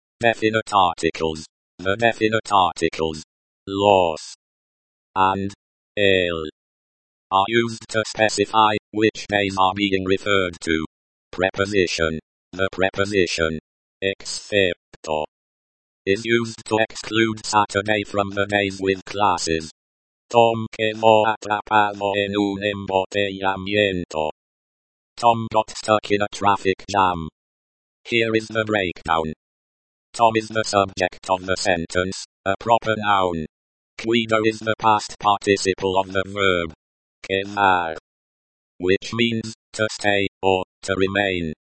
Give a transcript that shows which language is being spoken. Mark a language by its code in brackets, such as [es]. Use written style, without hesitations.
[en] Definite articles. The definite articles los and el are used to specify which days are being referred to. Preposition. The preposition excepto is used to exclude Saturday from the days with classes. [es] Tom quedó atrapado en un embotellamiento. [en] Tom got stuck in a traffic jam. Here is the breakdown. Tom is the subject of the sentence, a proper noun. Quedó is the past participle of the verb quedar, which means to stay or to remain.